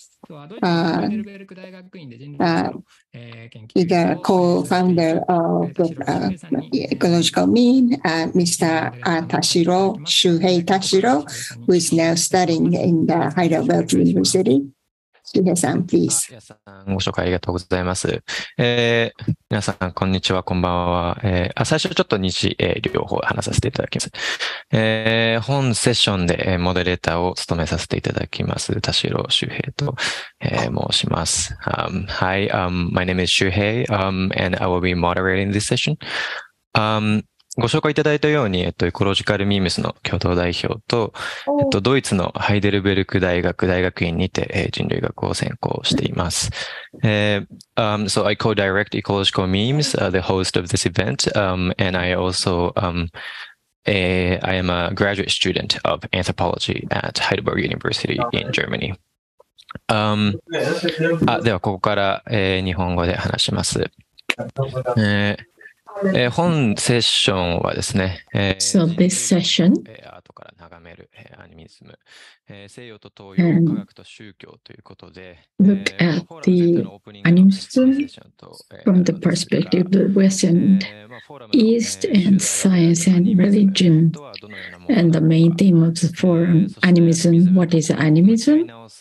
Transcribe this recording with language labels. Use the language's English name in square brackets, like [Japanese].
[English] The co-founder of the ecological mean, Mr. Tashiro, Shuhei Tashiro, who is now studying in the Heidelberg University. Shuhei-san, please. [Japanese] ご紹介ありがとうございます。皆さん、こんにちは、こんばんは。最初ちょっと日、両方話させていただきます。本セッションで、モデレーターを務めさせていただきます、田代周平と、申します。 [English] Hi, my name is 周平、and I will be moderating this session. [Japanese] ご紹介いただいたように、エコロジカルミームスの共同代表と、ドイツのハイデルベルク大学大学院にて、人類学を専攻しています。 [English] So I co-direct Ecological Memes,、the host of this event,、and I also,、I am a graduate student of anthropology at Heidelberg University in Germany. [Japanese] ではここから、日本語で話します。本セッションはですね、 [English] So this session, [Japanese] アートから眺めるアニミズム、西洋と東洋、科学と宗教ということで、 [English] Look at the animism from the perspective of West and East and science and religion, and the main theme of the forum, animism, what is animism?